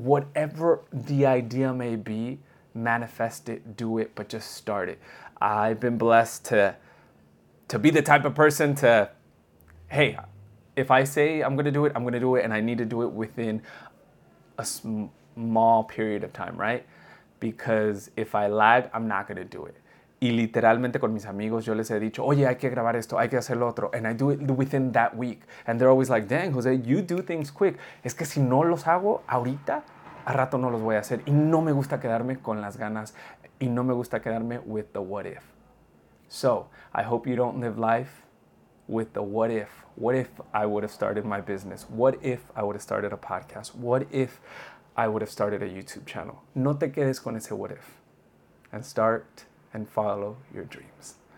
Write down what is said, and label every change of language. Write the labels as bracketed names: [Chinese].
[English] Whatever the idea may be, manifest it, do it, but just start it. I've been blessed to be the type of person to, hey, if I say I'm gonna do it, I'm gonna do it, and I need to do it within a small period of time, right? Because if I lag, I'm not going to do it. [Spanish] Y literalmente con mis amigos, yo les he dicho, oye, hay que grabar esto, hay que hacer lo otro. [English] And I do it within that week. And they're always like, dang, Jose, you do things quick. [Spanish] Es que si no los hago ahorita, a rato no los voy a hacer. Y no me gusta quedarme con las ganas. Y no me gusta quedarme [English] with the what if. So I hope you don't live life with the what if. What if I would have started my business? What if I would have started a podcast? What if I would have started a YouTube channel? [Spanish] No te quedes con ese [English] what if. And start and follow your dreams.